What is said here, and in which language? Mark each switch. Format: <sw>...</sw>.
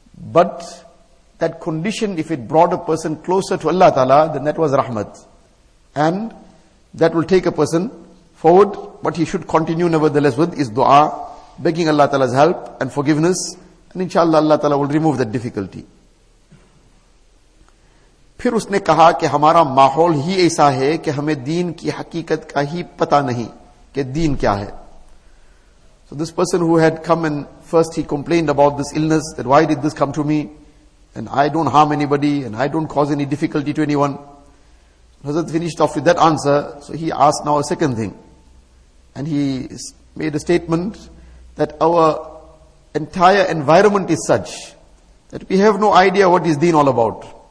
<en>But that condition, if it brought a person closer to Allah Ta'ala, then that was rahmat. And that will take a person forward. But he should continue nevertheless with his dua, begging Allah Ta'ala's help and forgiveness. And inshallah Allah Ta'ala will remove that difficulty.</en> <ur>پھر اس نے کہا کہ ہمارا ماحول ہی ایسا ہے کہ ہمیں دین کی حقیقت کا ہی پتہ نہیں کہ دین کیا ہے.</ur> <en>So this person who had come and first he complained about this illness, that why did this come to me, and I don't harm anybody and I don't cause any difficulty to anyone. Hazrat finished off with that answer, so he asked now a second thing. And he made a statement that our entire environment is such that we have no idea what is deen all about.</en>